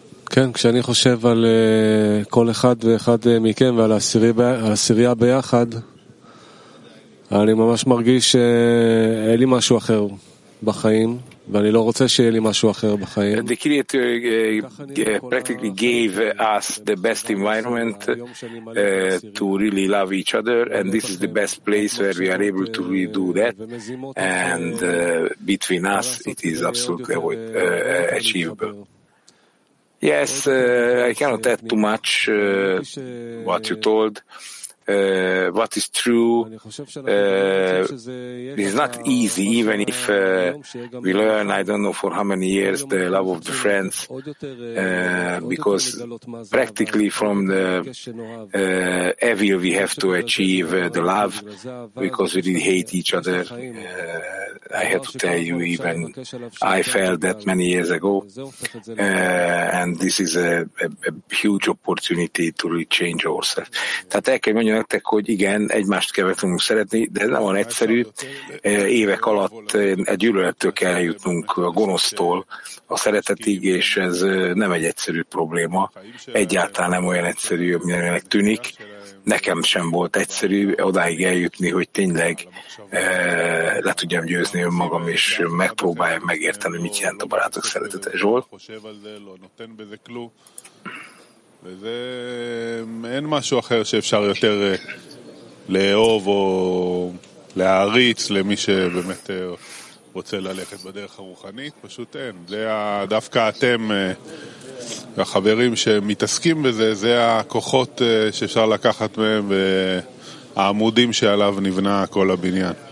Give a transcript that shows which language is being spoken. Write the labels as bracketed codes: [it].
[he] כן, כשאני חושב על כל אחד ואחד מכם ועל העשירייה ביחד, אני ממש מרגיש שאין לי משהו אחר בחיים, ואני לא רוצה שיהיה לי משהו אחר בחיים. [en] דקריט, practically gave us the best environment to really love each other, and this is the best place where we are able to really do that, and between us it is absolutely achievable. Yes, I cannot add too much what you told. What is true is not easy, even if we learn, I don't know for how many years, the love of the friends, because practically from the evil we have to achieve the love, because we really hate each other. I have to tell you, even I felt that many years ago, and this is a huge opportunity to really change ourselves. [hu] Hogy igen, egymást kell tudnunk szeretni, de ez nem olyan egyszerű. Évek alatt egy gyűlölettől kell eljutnunk a gonosztól a szeretetig, és ez nem egy egyszerű probléma. Egyáltalán nem olyan egyszerű, aminek tűnik. Nekem sem volt egyszerű odáig eljutni, hogy tényleg le tudjam győzni önmagam, és megpróbáljam megérteni, mit jelent a barátok szeretete. Zsolt? [he] וזה אין משהו אחר שאפשר יותר לאהוב או להעריץ למי שבאמת רוצה ללכת בדרך הרוחנית, פשוט אין. זה דווקא אתם, החברים שמתעסקים בזה, זה הכוחות שאפשר לקחת מהם והעמודים שעליו נבנה כל הבניין.